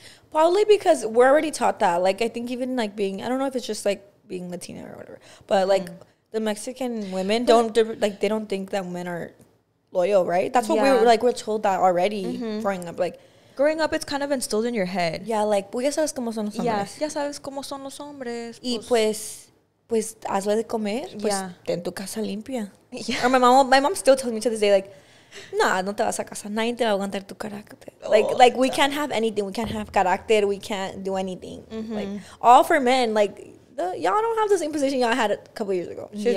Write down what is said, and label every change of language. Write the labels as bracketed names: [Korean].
[English] Probably because we're already taught that. Like, I think even, like, being... I don't know if it's just, like, being Latina or whatever. But, like, the Mexican women don't... Like, they don't think that men are loyal, right? That's what we were, like, we're told that already growing up. Like, growing up, it's kind of instilled in your head. Yeah, like, [Spanish] pues ya sabes cómo son los hombres. Ya sabes cómo son los hombres. Y pues hazle de comer. Pues, ten tu casa limpia. [English] Yeah. Or my mom still tells me to this day, like... Nah, [Spanish] no te vas a casa. Nadie te va a aguantar tu carácter. [English] Like we can't have anything. We can't have carácter. We can't do anything. Like, all for men. Like, y'all don't have the same position y'all had a couple years ago.